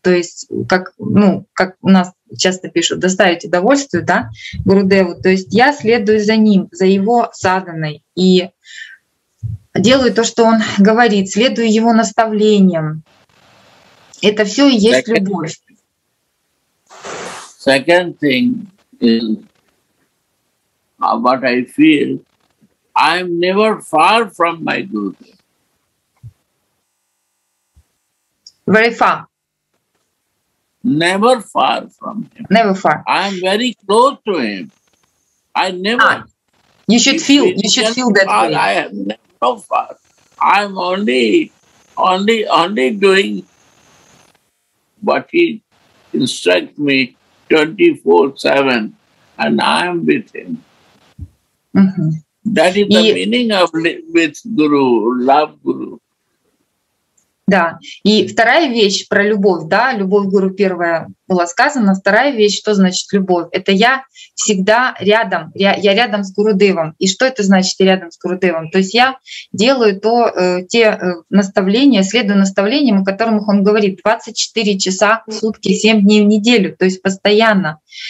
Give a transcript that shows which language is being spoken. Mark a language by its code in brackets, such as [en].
[ru] То есть, как у нас часто пишут, доставить удовольствие, да, Гурудеву, то есть я следую за ним, за его саданой. И делаю то, что он говорит, следую его наставлениям. Это все и есть любовь. [en] Second thing is what I feel, I'm never far from my Guru. Very far. Never far from him. Never far. I'm very close to him. I never. You should feel. You should feel that far, way. I am never far. I'm only doing what he instructs me 24/7, and I am with him. Mm-hmm. That is the meaning of with Guru, love Guru. [ru] Да, и вторая вещь про любовь, да, любовь Гуру первая была сказана, вторая вещь, что значит любовь? Это я всегда рядом, я рядом с Гурудевом. И что это значит рядом с Гурудевом? То есть я делаю те наставления, следую наставлениям, о которых он говорит, 24 часа в сутки, 7 дней в неделю, то есть постоянно.